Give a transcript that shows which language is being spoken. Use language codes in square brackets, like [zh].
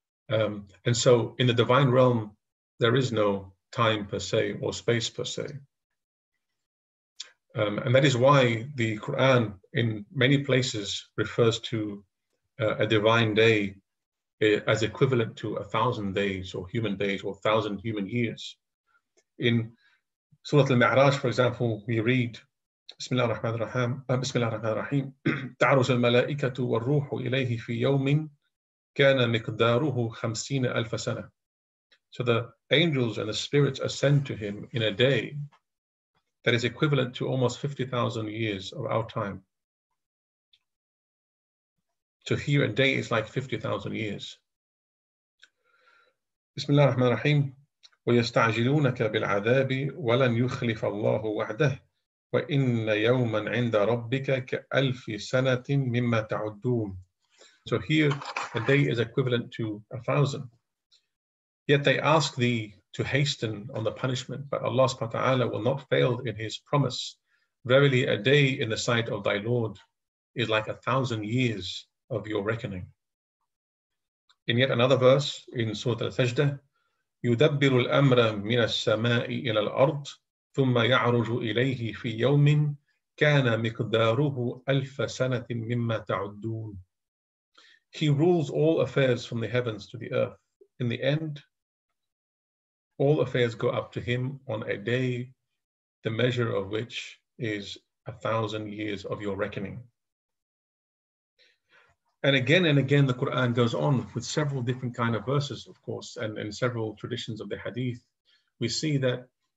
[en] And so in the divine realm, there is no time per se or space per se. And that is why the Qur'an in many places refers to a divine day as equivalent to 1,000 days or human days or 1,000 human years. In Surah Al-Mi'raj, for example, we read, [ar] بسم الله الرحمن الرحيم تعرج الملائكة والروح إليه في يوم كان مقداره 50,000 سنة. [en] So the angels and the spirits ascend to him in a day that is equivalent to almost 50,000 years of our time. So here a day is like 50,000 years. [ar] بسم الله الرحمن الرحيم ويستعجلونك بالعذاب ولن يخلف الله وعده وَإِنَّ يَوْمًا عِنْدَ رَبِّكَ كَأَلْفِ سَنَةٍ مِمَّا تَعُدُّونَ. [en] So here, a day is equivalent to 1,000. Yet they ask thee to hasten on the punishment, but Allah subhanahu wa ta'ala will not fail in his promise. Verily, a day in the sight of thy Lord is like 1,000 years of your reckoning. In yet another verse, in Surah Al-Sajda, [ar] يُدَبِّرُ الْأَمْرَ مِنَ السَّمَاءِ إِلَى الْأَرْضِ ثُمَّ يَعْرُجُ إِلَيْهِ فِي يَوْمٍ كَانَ مِقْدَارُهُ أَلْفَ سَنَةٍ مِمَّا تَعُدُّونَ. [en] He rules all affairs from the heavens to the earth. In the end, all affairs go up to him on a day, the measure of which is 1,000 years of your reckoning. And again, the Qur'an goes on with several different kind of verses, of course, and in several traditions of the hadith, we see that